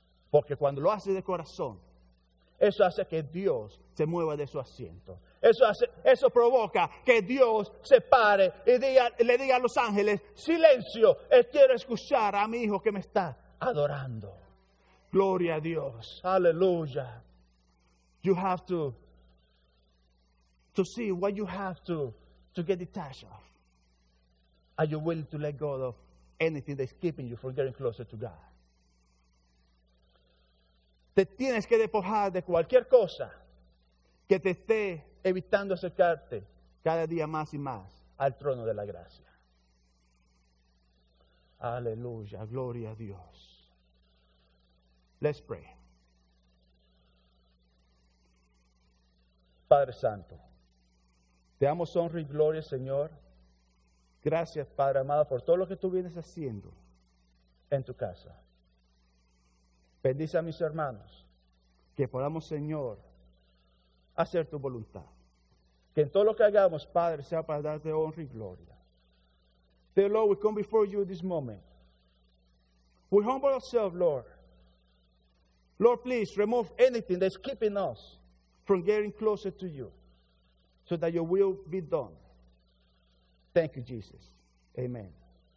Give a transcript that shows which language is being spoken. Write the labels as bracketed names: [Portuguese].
[Spanish] Porque cuando lo haces de corazón, eso hace que Dios se mueva de su asiento. Eso provoca que Dios se pare y le diga a los ángeles, silencio, quiero escuchar a mi hijo que me está adorando. Gloria a Dios. Aleluya. [English] You have to see what you have to get detached of. Are you willing to let go of anything that's keeping you from getting closer to God? [Spanish] Te tienes que despojar de cualquier cosa que te esté evitando acercarte cada día más y más al trono de la gracia. Aleluya, gloria a Dios. [English] Let's pray. [Spanish] Padre Santo, te damos honra y gloria, Señor. Gracias, Padre amado, por todo lo que tú vienes haciendo en tu casa. Bendice a mis hermanos, que podamos, Señor, hacer tu voluntad. Que en todo lo que hagamos, Padre, sea para darte honra y gloria. [English] Dear Lord, we come before you this moment. We humble ourselves, Lord. Lord, please remove anything that's keeping us from getting closer to you, so that your will be done. Thank you, Jesus. Amen.